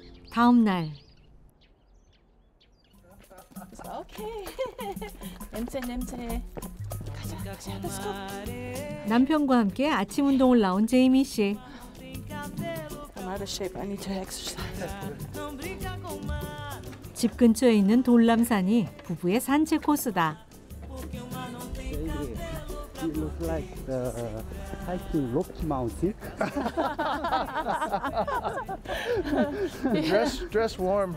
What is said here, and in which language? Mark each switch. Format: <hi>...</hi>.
<ko>다음 날. 오케이. 냄새. 가자.</ko> <en>Let's go.</en> <ko>남편과 함께 아침 운동을 나온 제이미 씨.</ko> <en>I'm out of shape. I need to exercise.</en> <ko>집 근처에 있는 돌람산이 부부의 산책 코스다.</ko> <en>It looks like the hiking Rocky Mountain. dress warm.</en>